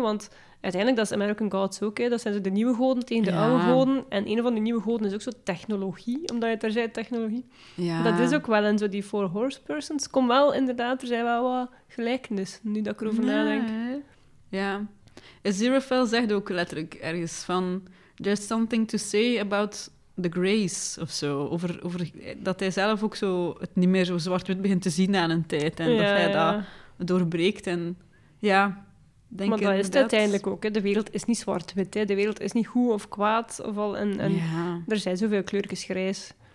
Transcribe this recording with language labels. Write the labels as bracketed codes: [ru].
[nl] Want uiteindelijk, dat is American Gods ook. Hè. Dat zijn zo de nieuwe goden tegen de oude goden. En een van de nieuwe goden is ook zo technologie. Omdat je het er zei, technologie. Ja. Dat is ook wel. En zo die Four Horsepersons. Kom wel, inderdaad, er zijn wel wat gelijkenissen. Nu dat ik erover nadenk. Ja. Aziraphale zegt ook letterlijk ergens van... [en] There's something to say about the grays of zo. [nl] Over dat hij zelf ook zo het niet meer zo zwart-wit begint te zien aan een tijd. En dat hij dat doorbreekt. En ja, denk maar dat is het uiteindelijk ook. Hè. De wereld is niet zwart-wit. Hè. De wereld is niet goed of kwaad. Of al er zijn zoveel kleurtjes grijs.